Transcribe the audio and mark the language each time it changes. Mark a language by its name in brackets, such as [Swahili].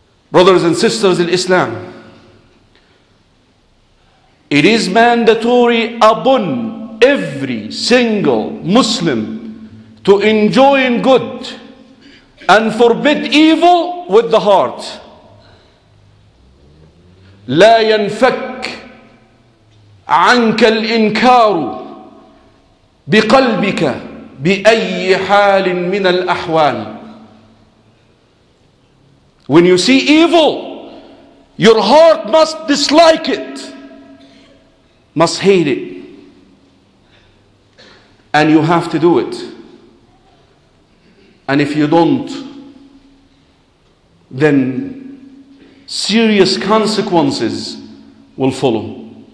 [English] Brothers and sisters in Islam, it is mandatory upon every single Muslim to enjoy good and forbid evil with the heart. [Arabic] لا ينفك عنك الإنكار بقلبك بأي حال من الأحوال. [English] When you see evil, your heart must dislike it, must hate it, and you have to do it. And if you don't, then serious consequences will follow.